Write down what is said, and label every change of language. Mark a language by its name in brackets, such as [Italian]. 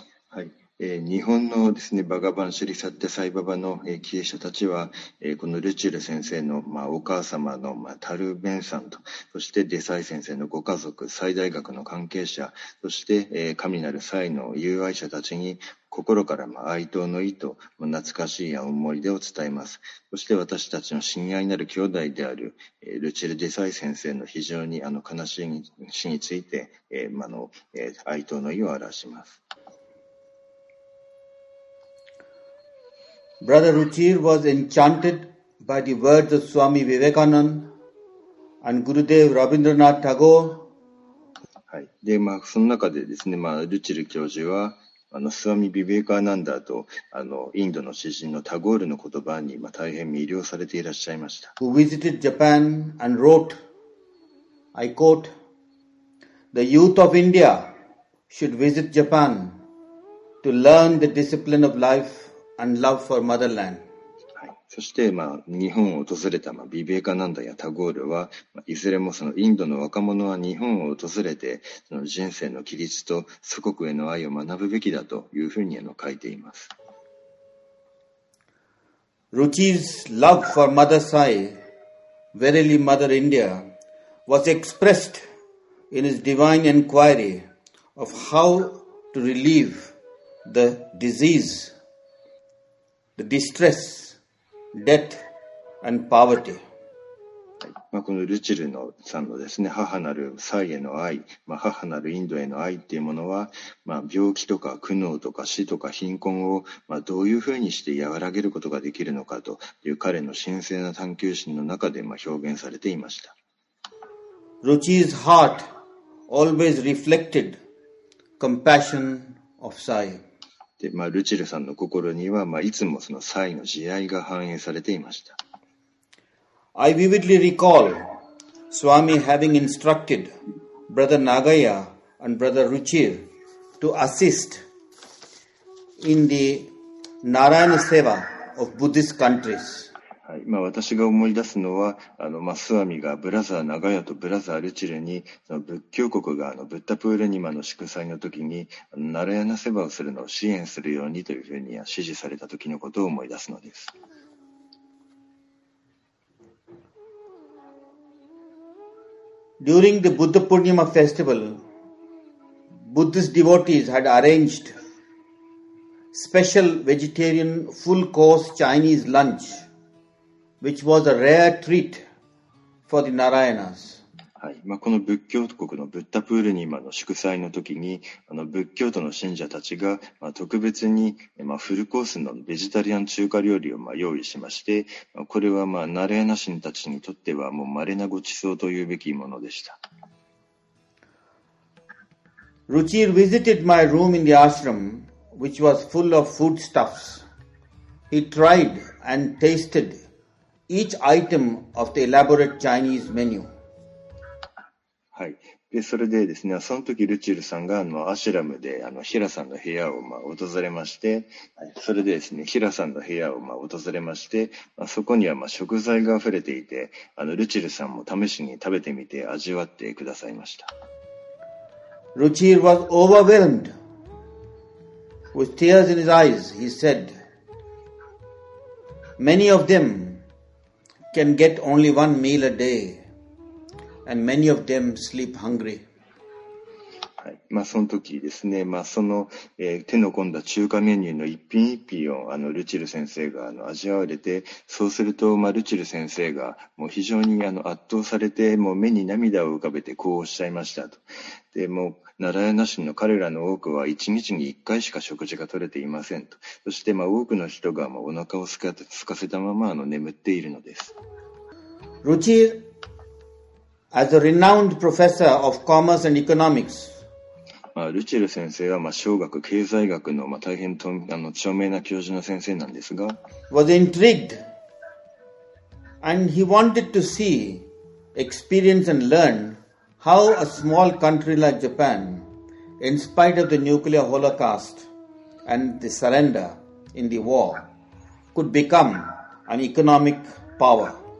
[Japanese] はい、日本のですね、バガバン・シリサッタ・サイババの経営者たちは、このルチル先生の、お母様の、タルベンさんと、そしてデサイ先生のご家族、サイ大学の関係者、そして、神なるサイの友愛者たちに、心から哀悼の意と懐かしい思い出を伝えます。そして私たちの親愛なる兄弟であるルチル・デサイ先生の非常に悲しい死について哀悼の意を表します。 [English] Brother Ruchir was enchanted by the words of Swami Vivekananda and Gurudev Rabindranath Tagore、 [Japanese] はい、で、その中でですね、ルチル教授はスワミ・ビベーカーナンダーとインドの詩人のタゴールの言葉に、大変魅了されていらっしゃいました。 [English] Who visited Japan and wrote, I quote, The youth of India should visit Japan to learn the discipline of life and love for motherland. [Japanese] そして、日本を訪れた、ビベーカナンダやタゴールは、いずれもそのインドの若者は日本を訪れてその人生の規律と祖国への愛を学ぶべきだというふうに書いています。 [English] Ruchi's love for Mother Sai, verily Mother India, was expressed in his divine inquiry of how to relieve the disease, the distressDeath and poverty. [Japanese] このルチルのさんのですね、母なるサイへの愛、母なるインドへの愛っていうものは、病気とか苦悩とか死とか貧困を、どういうふうにして和らげることができるのかという彼の神聖な探求心の中で、表現されていました。 [English] Ruchi's heart always reflected compassion of Sai. [Japanese] でルチルさんの心には、いつもそのサイの慈愛が反映されていました。 [English] I vividly recall Swami having instructed Brother Nagaya and Brother Ruchir to assist in the Narayana Seva of Buddhist countries。 [Japanese] はい、私が思い出すのはスワミがブラザー長屋とブラザールチルにその仏教国がブッダプールニマの祝祭の時にナラヤナセバをするのを支援するようにというふうに指示された時のことを思い出すのです。 [English] During the Buddha Purnima festival, Buddhist devotees had arranged special vegetarian full course Chinese lunch, which was a rare treat for the Narayanas. [Japanese] はい、まあ、この仏教国のブッダプールニマの祝祭の時に、あの仏教徒の信者たちが、まあ、特別に、まあ、フルコースのベジタリアン中華料理をまあ用意しまして、まあ、これはまあナラヤナ神たちにとってはもう稀なご馳走というべきものでした。 [English] Ruchir visited my room in the ashram, which was full of foodstuffs. He tried and tasted each item of the elaborate Chinese menu. [Japanese] はい、でそれでですね、その時ルチルさんがあのアシュラムであのヒラさんの部屋をまあ訪れまして、はい、それでですね、ヒラさんの部屋をまあ訪れまして、まあ、そこにはまあ食材が溢れていて、あのルチルさんも試しに食べてみて味わってくださいました。 [English] ルチル was overwhelmed. With tears in his eyes, he said, Many of them can get only one meal a day. And many of them sleep hungry. [Japanese] はい、まあその時ですね、まあその、手の込んだ中華メニューの一品一品をあのルチル先生があの味わわれて、そうすると、まあ、ルチル先生がもう非常にあの圧倒されて、もう目に涙を浮かべてこうおっしゃいましたと。でもナラヤナ神の彼らの多くは1日に1回しか食事が取れていませんと。そしてまあ多くの人がもうお腹を すかせたままあの眠っているのです。 [English] ルチルAs a renowned professor of commerce and economics, [Japanese] ルチル先生は、まあ、商学経済学の、まあ、大変とあの著名な教授の先生なんですが、 [English] was intrigued and he wanted to see, experience and learn how a small country like Japan, in spite of the nuclear holocaust and the surrender in the war, could become an economic power.